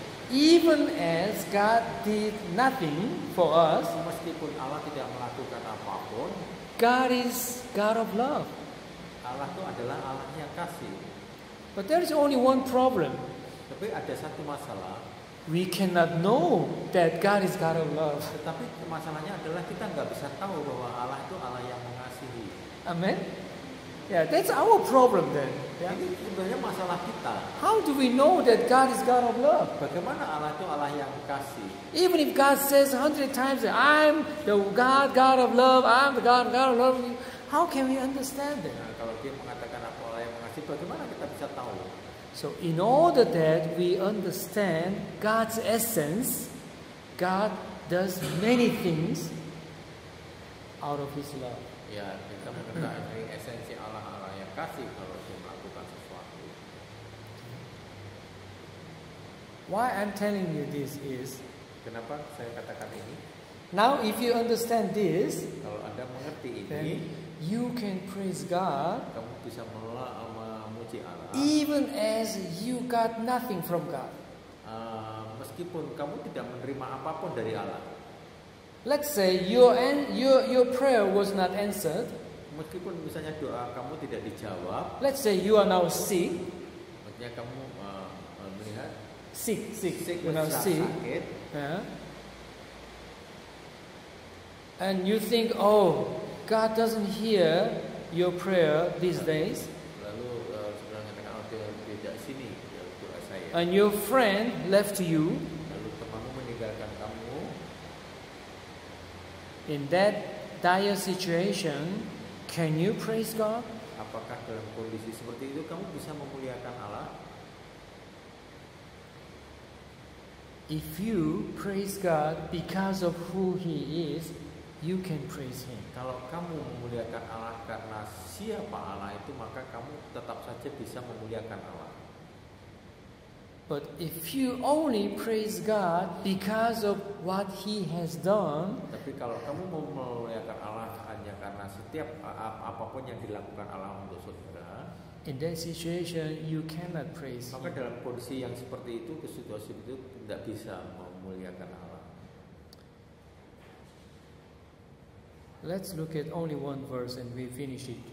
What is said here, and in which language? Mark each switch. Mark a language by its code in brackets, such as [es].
[en] Even as God did nothing for us, [id] meskipun Allah tidak melakukan apapun, [en] God is God of love. [id] Allah itu adalah Allah yang kasih. [en] But there is only one problem. [id] Tapi ada satu masalah. [en] We cannot know that God is God of love. [id] Tetapi masalahnya adalah kita nggak bisa tahu bahwa Allah itu Allah yang mengasihi. [en] Amen. Yeah, that's our problem then. [id] Ini sebenarnya masalah kita. [en] How do we know that God is God of love? [id] Bagaimana Allah itu Allah yang kasih? [en] Even if God says 100 times, I'm the God of love, I'm the God of love, how can we understand that? [id] Nah, kalau Dia mengatakan apa Allah yang mengasihi, bagaimana kita bisa tahu? [en] So in order that we understand God's essence, God does many things out of his love. [id] Ya, kita mengetahui esensi Allah adalah yang kasih kalau dia melakukan sesuatu. [en] Why I'm telling you this is, [id] kenapa saya katakan ini? [en] Now if you understand this, [id] kalau Anda mengerti ini, [en] then you can praise God. [id] Kamu bisa memuji Allah. [en] Even as you got nothing from God. [id] Meskipun kamu tidak menerima apapun dari Allah. [en] Let's say your prayer was not answered. [id] Meskipun misalnya doa kamu tidak dijawab. [en] Let's say you are now sick. [id] Maksudnya kamu melihat [en] sick. You're now sakit. And you think, oh, God doesn't hear your prayer these days. [id] Lalu saudara katakan, oh, dia tidak sini doa saya. [en] And your friend left you. [id] Lalu temanmu meninggalkan kamu. [en] In that dire situation, can you praise God? [id] Apakah dalam kondisi seperti itu kamu bisa memuliakan Allah? [en] If you praise God because of who He is, you can praise Him. [id] Kalau kamu memuliakan Allah karena siapa Allah itu, maka kamu tetap saja bisa memuliakan Allah. [en] But if you only praise God because of what He has done, [id] tapi kalau kamu memuliakan Allah hanya karena setiap apapun yang dilakukan Allah untuk saudara, [en] in that situation you cannot praise. [id] Maka dalam kondisi yang seperti itu, situasi itu tidak bisa memuliakan Allah. [en] Let's look at only one verse and we finish it.